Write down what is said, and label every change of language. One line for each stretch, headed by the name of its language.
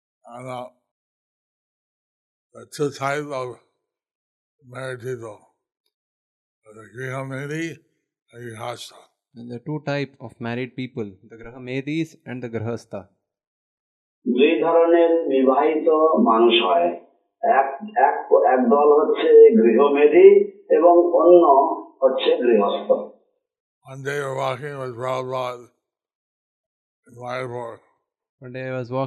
English: And the two types of married people, the grihamedi and grihastha. And the two types of married people, the grihamedis and the grihastha.
Bangla: দুই ধরনের বিবাহিত মানুষ হয়, এক এক এক দল হচ্ছে গৃহমেধী এবং অন্য হচ্ছে গৃহস্থ।
English: One day I was walking with Prabhupada in Mayapur.